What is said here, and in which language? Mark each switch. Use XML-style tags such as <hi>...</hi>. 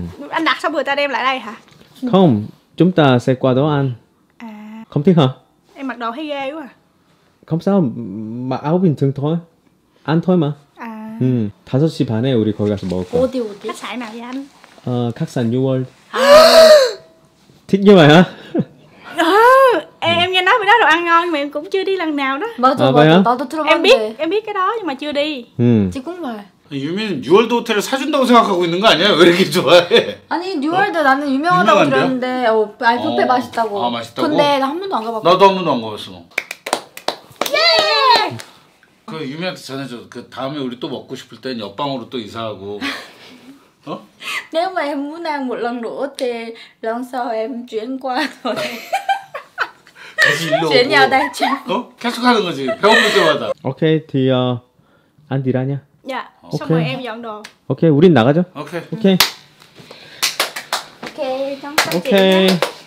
<ko>안 낙서 보자래 라라이하 그럼 좀 이따 새 과도 안 컴퓨터</ko> <vi>em mặc đồ hay ghê quá không sao mặc áo bình thường thôi ăn thôi mà</vi> <ko>5시 반에 우리 거기 가서 먹을 거야 어디 어디?</ko> <vi>카사이 nào vậy anh? 칵산 뉴월드 thích như vậy hả em nghe nói mấy đó đồ ăn ngon mà em cũng chưa đi lần nào đó Maja, vậy maja, hả tao tôi em biết cái đó nhưng mà chưa đi chị cũng vậy</vi> <ko>유민은 뉴월드 호텔을 사준다고 생각하고 있는 거 아니야? 왜 이렇게 좋아해? 아니 뉴월드 나는 유명하다고 유명한데요? 들었는데 뷔페 아, 맛있다고 근데 맛있다고? 나한 번도 안 가봤거든 나도 한 번도 안 가봤어. 그 유민한테 전해줘. 그 다음에 우리 또 먹고 싶을 땐 옆방으로 또 이사하고. 어?</ko> <vi>Nếu mà em muốn ăn một lần nữa thì lần sau em chuyển qua rồi.</vi> <ko>다시 일로</ko> <vi>Chuyển nhà</vi> <ko>오고.</ko> <vi>đây chứ.</vi> <ko>어? 계속 하는 거지. 배고플 때마다. 오케이, 드디어 안 디라냐? 야, 오케이.</ko> <vi>성공 em dọn đồ.</vi> <ko>오케이, 우린 나가죠. 오케이. 오케이. 오케이, 오케이. 정착되었냐?</ko>